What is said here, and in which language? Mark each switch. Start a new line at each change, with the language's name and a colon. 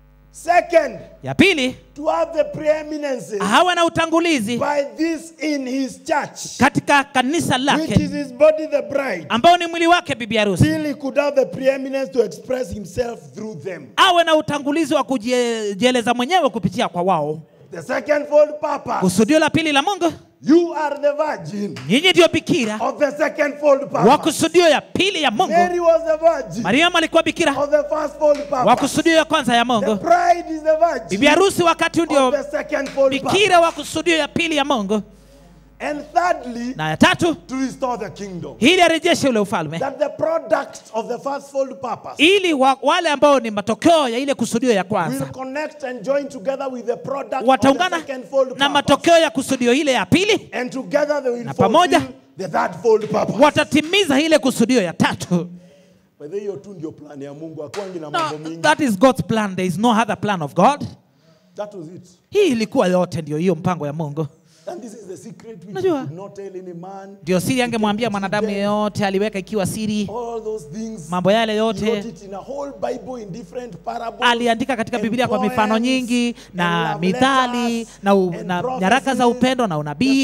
English: Second.
Swahili: Ya pili.
English: To have the preeminence.
Swahili: Hawa na utangulizi.
English: By this in his church.
Swahili: Katika kanisa lake.
English: Which is his body the bride.
Swahili: Ambao ni mwili wake bibi harusi.
English: Till he could have the preeminence to express himself through them.
Swahili: Hawa na utangulizi wa kujieleza mwenyewe kupitia kwa wao.
English: The second fold purpose.
Swahili: Kusudio la pili la Mungu.
English: You are the virgin.
Swahili: Nyinyi ndio bikira.
English: Of the second fold purpose.
Swahili: Wa kusudio ya pili ya Mungu.
English: Mary was the virgin.
Swahili: Mariamu alikuwa bikira.
English: Of the first fold purpose.
Swahili: Wa kusudio ya kwanza ya Mungu.
English: The bride is the virgin.
Swahili: Bibi harusi wakati ndio.
English: Of the second fold purpose.
Swahili: Bikira wa kusudio ya pili ya Mungu.
English: And thirdly,
Swahili: na ya tatu,
English: to restore the kingdom.
Swahili: Ili arejeshe ule ufalme.
English: That the product of the first fold purpose.
Swahili: Ili wale ambao ni matokeo ya ile kusudio ya kwanza.
English: Will connect and join together with the product
Swahili: wataungana
English: of the second fold purpose.
Swahili: Na matokeo ya kusudio ile ya pili.
English: And together they will fulfill the third fold purpose.
Swahili: Watatimiza ile kusudio ya tatu. But hiyo tu ndio plan ya Mungu akwangi na mambo mengi.
English: That is God's plan. There is no other plan of God. That was it.
Swahili: Hii ilikuwa yote ndio hiyo mpango ya Mungu.
English: And this is the secret which you could not tell any man.
Swahili: Ndio siri angemwambia mwanadamu yote aliweka ikiwa siri.
English: All those things.
Swahili: Mambo yale yote.
English: He wrote it in a whole Bible in different parables.
Swahili: Aliandika katika Biblia kwa mifano nyingi na mithali na nyaraka za upendo na unabii.